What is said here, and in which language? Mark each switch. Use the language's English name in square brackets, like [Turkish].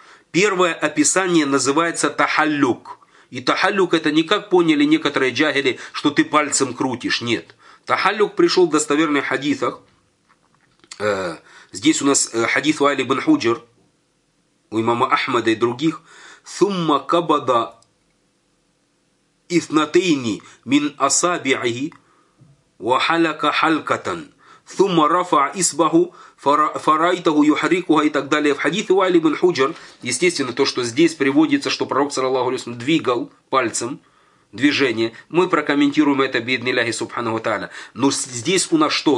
[Russian] Первое описание называется тахаллюк. И тахаллюк это не как поняли некоторые джагили, что ты пальцем крутишь. Нет. Тахаллюк пришел в достоверных хадисах. Здесь у нас хадис Вайли бен Худжир, у имама Ахмада и других. [Arabic] Сумма кабада иснатейни мин асабиихи. وَحَلَكَ حَلْكَةً ثُمَّ رَفَعَ إِصْبَعَهُ فَرَأَيْتَهُ يُحَرِّكُهَا [Russian] и так далее. В хадисе Уайл ибн Худжр, естественно, то, что здесь приводится, что пророк, саллаллаху алейхи ва саллям, двигал пальцем движение. Мы прокомментируем это бидни Аллахи субханаху ва тааля. Но здесь у нас что?